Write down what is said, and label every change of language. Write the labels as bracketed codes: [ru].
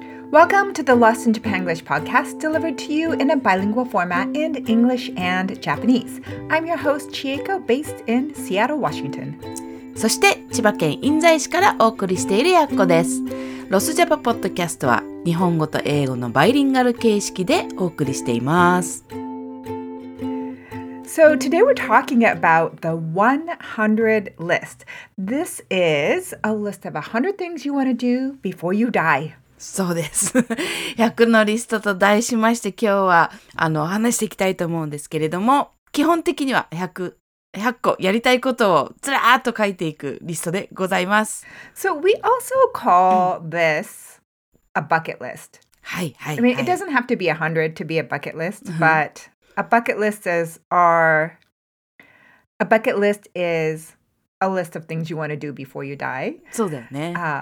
[en] Welcome to the Lost in Japan English podcast, delivered to you in a bilingual format in English and Japanese. I'm your host, Chieko, based in Seattle, Washington. [ja] そして千葉県印西市からお送りしているやっこです。ロスジャパポッドキャストは日本語と英語のバイリンガル形式でお送りしています。 [en] So today we're talking about the 100 list. This is a list of 100 things you want to do before you die. [ja] そうです。 100のリストと題しまして今日はお話していきたいと思うんですけれども、基本的には100個やりたいことをずらーっと書いていくリストでございます。 [en] So we also call this a bucket list. [ja] はいはい。 [en] I mean, it doesn't have to be 100 to be a bucket list, but... A bucket list is our. A bucket list is a list of things you want to do before you die. [ja] そうだよね。